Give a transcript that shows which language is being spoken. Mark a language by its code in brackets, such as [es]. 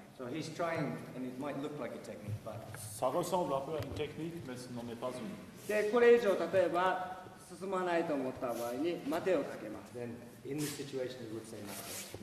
[en] So he's trying and it might look like a technique, but [fr] ça ressemble un peu à une technique, mais ce n'en est pas une. [ja] で、これ以上例えば進まないと思った場合に待てをかけます。 [en] Then in this situation he would say nothing.